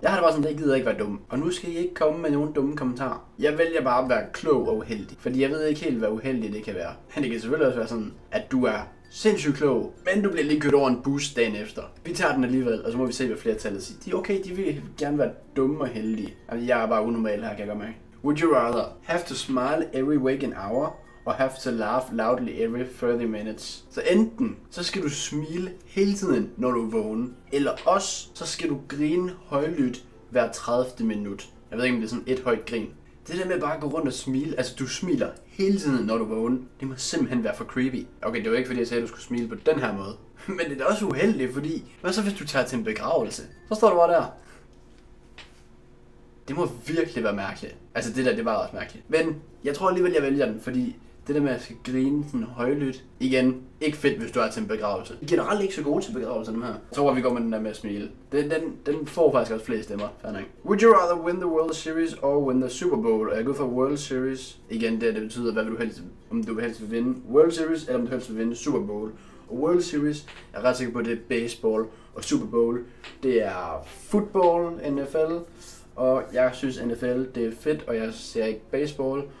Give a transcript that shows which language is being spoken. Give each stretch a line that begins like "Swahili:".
Danish: Jeg har det bare sådan, at jeg gider ikke være dum. Og nu skal I ikke komme med nogen dumme kommentarer. Jeg vælger bare at være klog og uheldig. Fordi jeg ved ikke helt, hvad uheldig det kan være. Men det kan selvfølgelig også være sådan, at du er sindssygt klog, men du bliver lige kørt over en bus dagen efter. Vi tager den alligevel, og så må vi se, hvad flertallet siger. De er okay, de vil gerne være dumme og heldige. Altså, jeg er bare unormal her, kan jeg godt mærke.
English: Would you rather have to smile every waking hour, or have to laugh loudly every 30 minutes?
Danish: Så enten, så skal du smile hele tiden, når du er vågen, eller også, så skal du grine højlydt hver 30. minut. Jeg ved ikke, om det er sådan et højt grin. Det der med bare at gå rundt og smile, altså du smiler hele tiden, når du er vågen, det må simpelthen være for creepy. Okay, det var ikke fordi, jeg sagde, at du skulle smile på den her måde. Men det er også uheldigt, fordi, hvad så hvis du tager til en begravelse? Så står du bare der. Det må virkelig være mærkeligt. Altså det der, det var også mærkeligt. Men jeg tror alligevel, jeg vælger den, fordi det der med, at jeg skal grine sådan højlydt. Igen, ikke fedt, hvis du er til en begravelse. I generelt ikke så gode til begravelser, dem her. Så tror jeg, vi går med den der med at smile. Den får faktisk også flere stemmer. Færdig.
English: Would you rather win the World Series or win the Super Bowl?
Danish: Er jeg gået for World Series? Igen, det betyder, hvad vil du helst, om du helst vil vinde World Series, eller om du helst vil vinde Super Bowl. Og World Series, jeg er ret sikker på, det er baseball. Og Super Bowl, det er football, NFL. Og jeg synes, NFL, det er fedt, og jeg ser ikke baseball.